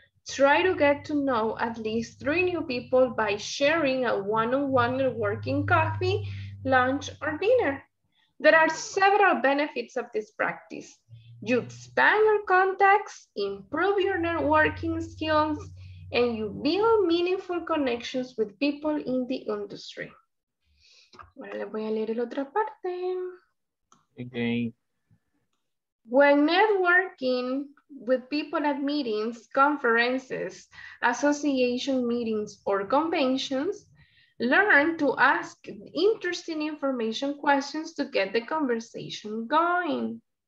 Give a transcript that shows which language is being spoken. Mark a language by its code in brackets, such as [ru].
[en] Try to get to know at least three new people by sharing a one-on-one networking coffee, lunch, or dinner. There are several benefits of this practice. You expand your contacts, improve your networking skills, and you build meaningful connections with people in the industry. [es] Bueno, le voy a leer la otra parte. [en] Again. When networking with people at meetings, conferences, association meetings, or conventions, learn to ask interesting information questions to get the conversation going.